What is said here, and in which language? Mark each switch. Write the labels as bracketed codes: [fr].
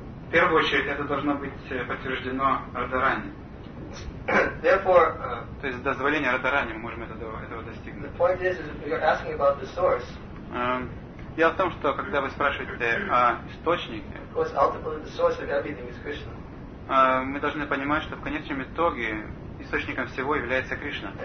[ru] первую очередь это должно быть подтверждено Радарани. [en] Therefore, [ru] то есть дозволение Радарани мы можем этого достигнуть. [en] The point is you're asking about the source. [ru] Дело в том, что когда вы спрашиваете о источнике, [en] of course, ultimately the source of everything is Krishna. [ru] Мы должны понимать, что в конечном итоге источником всего является Кришна.